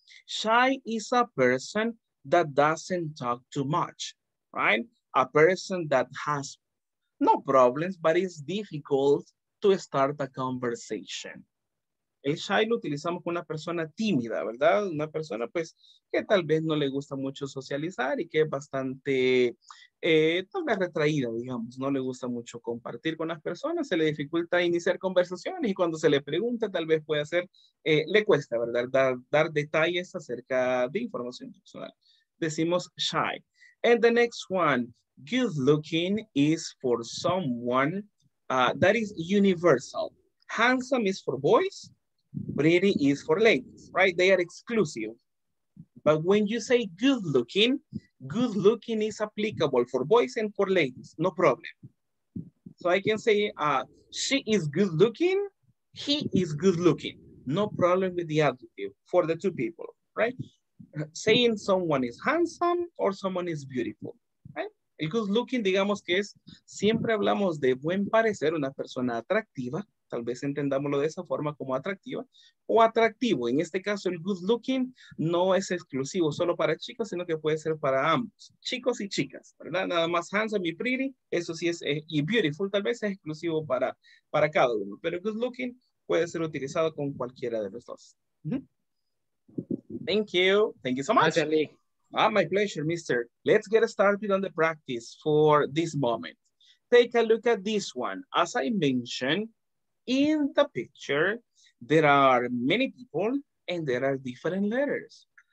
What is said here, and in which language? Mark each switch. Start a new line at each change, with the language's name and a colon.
English: Shy is a person that doesn't talk too much, right? A person that has no problems, but it's difficult to start a conversation.
Spanish: El shy lo utilizamos con una persona tímida, ¿verdad? Una persona, pues, que tal vez no le gusta mucho socializar y que es bastante, tal vez retraída, digamos. No le gusta mucho compartir con las personas, se le dificulta iniciar conversaciones y cuando se le pregunta, tal vez puede hacer, le cuesta, ¿verdad? Dar detalles acerca de información personal. Decimos shy.
English: And the next one, good looking is for someone that is universal. Handsome is for boys, pretty is for ladies, right? They are exclusive. But when you say good looking is applicable for boys and for ladies, no problem. So I can say she is good looking, he is good looking. No problem with the adjective for the two people, right? Saying someone is handsome or someone is beautiful, right?
Spanish: El good looking, digamos que es, siempre hablamos de buen parecer, una persona atractiva, tal vez entendámoslo de esa forma como atractiva, o atractivo. En este caso, el good looking no es exclusivo solo para chicos, sino que puede ser para ambos, chicos y chicas, ¿verdad? Nada más handsome y pretty, eso sí es, y beautiful, tal vez es exclusivo para cada uno, pero good looking puede ser utilizado con cualquiera de los dos.
English: Thank you so much. Ah, my pleasure, mister. Let's get started on the practice for this moment. Take a look at this one. As I mentioned, in the picture, there are many people and there are different letters.